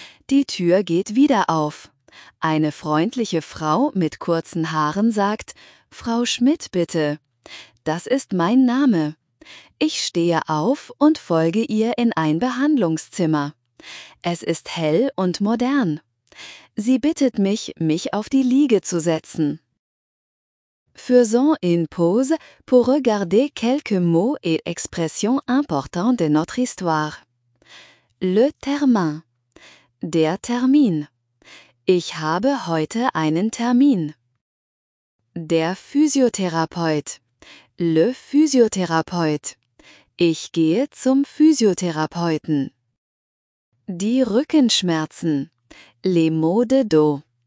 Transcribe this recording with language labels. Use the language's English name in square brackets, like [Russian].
[German] Die Tür geht wieder auf. Eine freundliche Frau mit kurzen Haaren sagt: Frau Schmidt, bitte. Das ist mein Name. Ich stehe auf und folge ihr in ein Behandlungszimmer. Es ist hell und modern. Sie bittet mich, mich auf die Liege zu setzen. [French] Faisons une pause pour regarder quelques mots et expressions importants de notre histoire. [German] Le Termin. Der Termin. Ich habe heute einen Termin. Der Physiotherapeut. Le Physiotherapeut. Ich gehe zum Physiotherapeuten. Die Rückenschmerzen. [French] Les maux de dos.